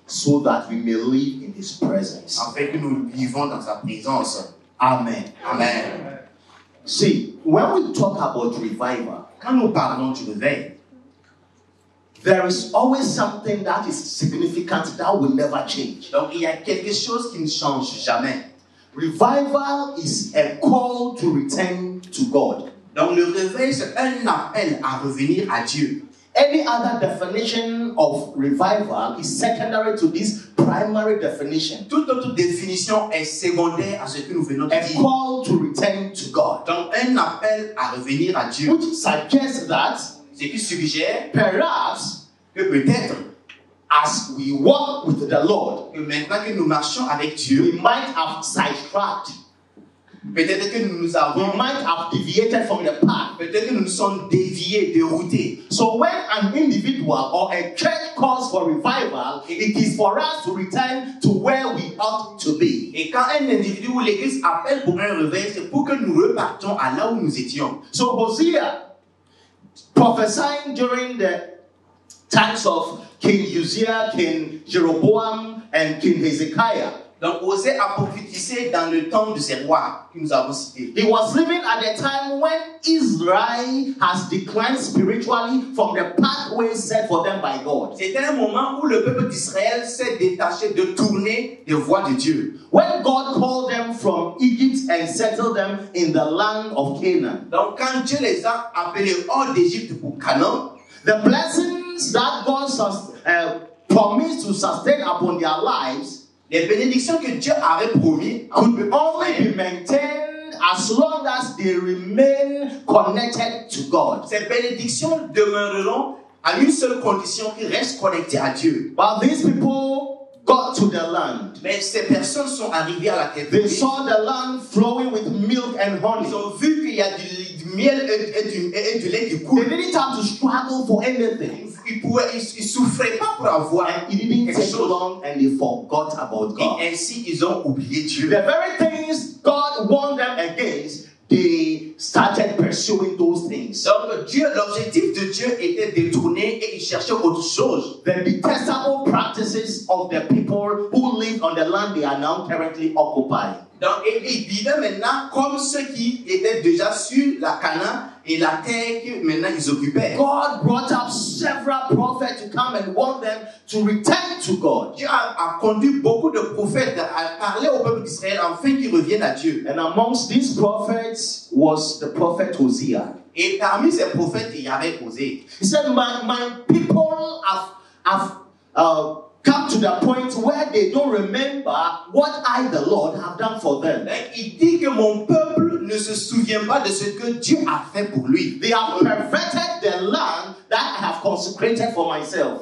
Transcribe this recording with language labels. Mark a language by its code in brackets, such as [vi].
[en] So that we may live in his presence. [fr] Afin que nous vivons dans sa présence. [en] Amen. [fr] Amen. [en] See, when we talk about revival, [fr] quand nous parlons du réveil, [en] there is always something that is significant that will never change. [fr] Donc il y a quelque chose qui ne change jamais. [en] Revival is a call to return to God. [fr] Donc le réveil c'est un appel à revenir à Dieu. [en] Any other definition of revival is secondary to this primary definition. [fr] Toute autre définition est secondaire à ce que nous venons de dire. [en] A call to return to God. [fr] Donc un appel à revenir à Dieu. [en] Which suggests that, [fr] ce qui suggère, [en] perhaps, [fr] que peut-être, [en] as we walk with the Lord, [fr] que maintenant que nous marchons avec Dieu, [en] we might have sidetracked. [fr] Peut-être que nous nous avons, [en] we might have deviated from the path. [fr] Peut-être que nous nous sommes déviés, déroutés. [en] So when an individual or a church calls for revival, it is for us to return to where we ought to be. [fr] Et quand un individu ou l'église appelle pour un réveil, c'est pour que nous repartions à là où nous étions. [en] So Hosea, prophesying during the times of King Uzziah, King Jeroboam, and King Hezekiah. [fr] Donc Osée a prophétisé dans le temps de ces rois que nous avons cités. [en] He was living at a time when Israel has declined spiritually from the pathway set for them by God. [fr] C'était un moment où le peuple d'Israël s'est détaché de tourner des voies de Dieu. [en] When God called them from Egypt and settled them in the land of Canaan. [fr] Donc quand Dieu les a appelés hors d'Égypte pour Canaan, [en] the blessings that God promised to sustain upon their lives. [fr] Les bénédictions que Dieu avait promis [en] could be only be maintained as long as they remain connected to God. [fr] Ces bénédictions demeureront à une seule condition, qu'ils restent connectés à Dieu. [en] But these people got to the land. [fr] Mais ces personnes sont arrivées à la terre. [en] They saw the land flowing with milk and honey. [fr] Ils ont vu qu'il y a du miel et du lait qui coule. [en] They didn't have to struggle for anything. [fr] Ils souffraient pas pour avoir. [en] And it didn't take so long, and they forgot about God. [fr] Et ainsi, ils ont oublié Dieu. [en] The very things God warned them against, they started pursuing those things. [fr] Donc, Dieu, l'objectif de Dieu était détourner et ils cherchaient autre chose. [en] The detestable practices of the people who live on the land they are now currently occupying. [fr] Donc, et ils vivaient maintenant comme ceux qui étaient déjà sur la Canaan et la terre que maintenant ils occupaient. [en] God brought up several prophets to come and warn them to return to God. [fr] Dieu a conduit beaucoup de prophètes à parler au peuple d'Israël afin qu'ils reviennent à Dieu. [en] And amongst these prophets was the prophet Hosea. [fr] Et parmi ces prophètes, il y avait Hosea. [en] He said, my people have come to the point where they don't remember what I, the Lord, have done for them. [fr] Il dit que mon peuple ne se souvient pas de ce que Dieu a fait pour lui. [en] They have perverted the land that I have consecrated for myself.